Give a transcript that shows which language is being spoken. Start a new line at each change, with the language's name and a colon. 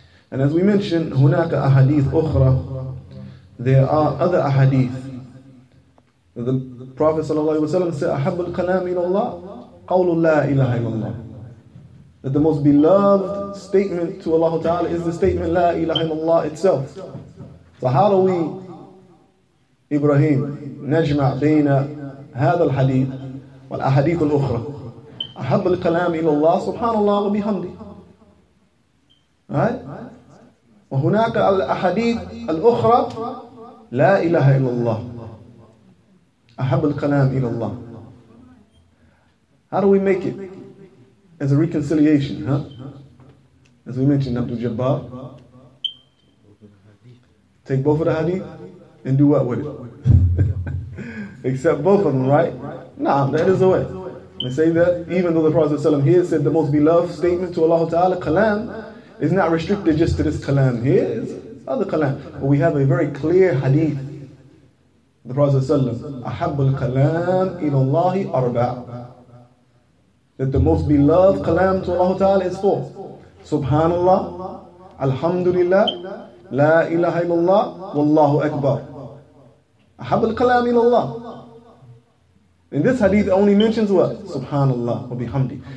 English: And as we mentioned,
Arabic: hunaka ahadith ukhra,
English: there are other ahadith. The Prophet
Arabic: sallallahu alayhi wa sallam
English: said,
Arabic: ahabu al-kalam ila Allah, qawlu la ilaha illallah.
English: That the most beloved statement to Allah ta'ala is the statement la ilaha illallah itself. So how do we,
Arabic: Ibrahim, najma' bayna هذا الحديث والأحاديث الأخرى؟ أحب الكلام إلى الله سبحان الله وبحمده.
English: Right?
Arabic: وهناك الأحاديث الأخرى لا إله إلا الله. أحب الكلام إلى الله.
English: How do we make it as a reconciliation, huh? As we mentioned, Abdul Jabbar, take both of the hadith and do what with it? Except both of them, right? Nah, that is the way. They say that even though the Prophet ﷺ here said the most beloved statement to Allah Ta'ala, kalam, is not restricted just to this kalam here, it's other kalam. But we have a very clear hadith. The Prophet
Arabic: ﷺ, أحب الكلام إلى الله أربع.
English: That the most beloved kalam to Allah Ta'ala is four.
Arabic: Subhanallah, Alhamdulillah, La ilaha illallah, Wallahu Akbar. أحب الكلام إلى الله.
English: And this hadith only mentions what?
Arabic: Subhanallah wa bihamdi.